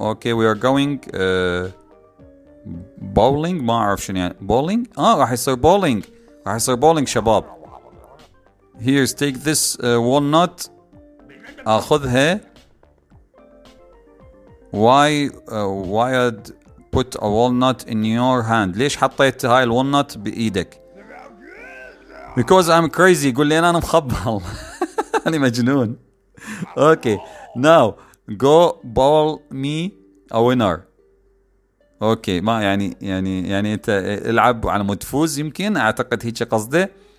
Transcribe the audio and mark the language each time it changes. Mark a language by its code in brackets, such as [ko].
[en] Okay, we are going bowling. [ar] ما أعرف شنو يعني bowling. راح يصير bowling شباب. [en] Here's take this walnut. [ar] أخذها. [en] Why I'd put a walnut in your hand? [ar] ليش حطيت هاي الwalnut بإيدك؟ [en] Because I'm crazy. [ar] قول لي أنا مخبل. أنا مجنون. Okay. [en] Now go bowl me a winner. [ar] اوكي ما يعني يعني يعني انت العب على مود تفوز يمكن اعتقد هيك قصده.